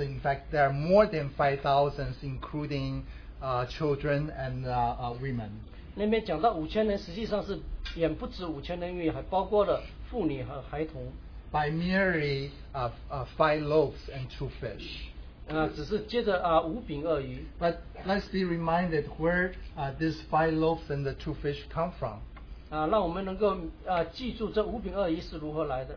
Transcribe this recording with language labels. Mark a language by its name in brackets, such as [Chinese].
[English] In fact, there are more than 5,000, including children and women. [Chinese] 那边讲到五千人，实际上是远不止5,000人，因为还包括了妇女和孩童。 [English] By merely five loaves and two fish. [Chinese] 只是接着五饼二鱼。 [English] But let's be reminded where these five loaves and the two fish come from. [Chinese] 让我们能够记住这五饼二鱼是如何来的。